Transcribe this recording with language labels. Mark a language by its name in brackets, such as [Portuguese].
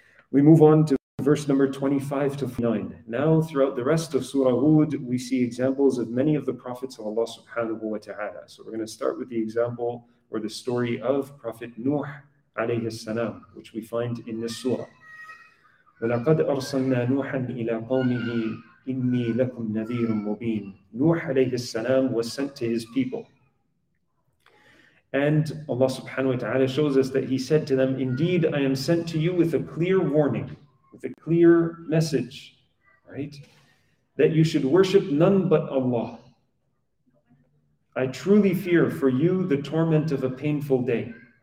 [English] We move on to verse number 25 to 49. Now, throughout the rest of Surah Hud, we see examples of many of the prophets of Allah subhanahu wa ta'ala. So we're going to start with the example or the story of Prophet Nuh alayhi salam, which we find in this surah. [Arabic] وَلَقَدْ أَرْسَلْنَا نُوحًا إِلَىٰ قَوْمِهِ إِنِّي لَكُمْ نَذِيرٌ مُبِينٌ [English] Nuh alayhi salam was sent to his people. And Allah subhanahu wa ta'ala shows us that he said to them, indeed, I am sent to you with a clear warning, with a clear message, right? That you should worship none but Allah. I truly fear for you the torment of a painful day.